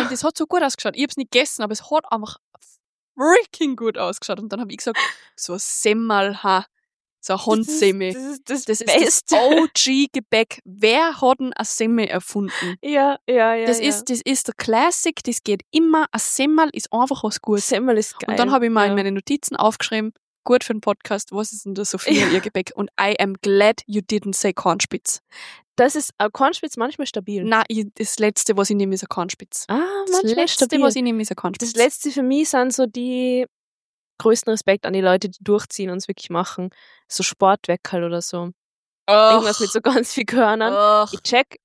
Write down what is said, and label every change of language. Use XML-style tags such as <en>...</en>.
<de>Und das hat so gut ausgeschaut. Ich habe es nicht gegessen, aber es hat einfach freaking gut ausgeschaut. Und dann habe ich gesagt, so ein Semmel, ha, so ein Hornsemmel. Das ist das OG-Gebäck. Wer hat denn ein Semmel erfunden? Ja. Das ist der Classic, das geht immer. Ein Semmel ist einfach was Gutes. Semmel ist geil. Und dann habe ich mal in meine Notizen aufgeschrieben, gut für den Podcast, was ist denn da so viel ihr Gebäck?</de> <en>Und I am glad you didn't say Kornspitz.</en> <de>Das ist, Kornspitz manchmal stabil. Nein, das Letzte, was ich nehme, ist ein Kornspitz. Das Letzte für mich sind so die... Größten Respekt an die Leute, die durchziehen und es wirklich machen. So Sportweckerl oder so. Irgendwas mit so ganz viel Körnern. Och. Ich check.</de>